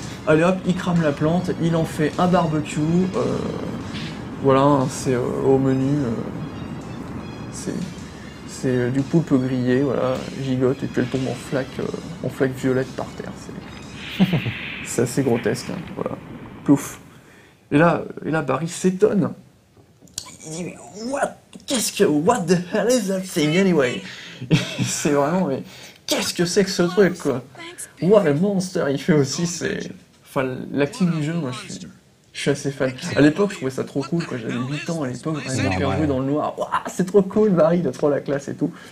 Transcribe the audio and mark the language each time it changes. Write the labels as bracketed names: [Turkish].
[French] Allez hop, il crame la plante, il en fait un barbecue. Voilà, c'est au menu. C'est du poulpe grillé, voilà, gigote, et puis elle tombe en flaque violette par terre. C'est assez grotesque, hein, voilà. Plouf. Et là, Barry s'étonne. Il dit, [English] what the hell is that thing anyway? [French] C'est vraiment, mais qu'est-ce que c'est que ce truc, quoi? [English] What a monster, [French] il fait aussi, c'est... Enfin, l'acting du jeu, moi, je suis assez fan. À l'époque, je trouvais ça trop cool, quoi. J'avais 8 ans à l'époque, j'avais super joué dans le noir. Waouh, c'est trop cool, Barry, t'as trop la classe et tout.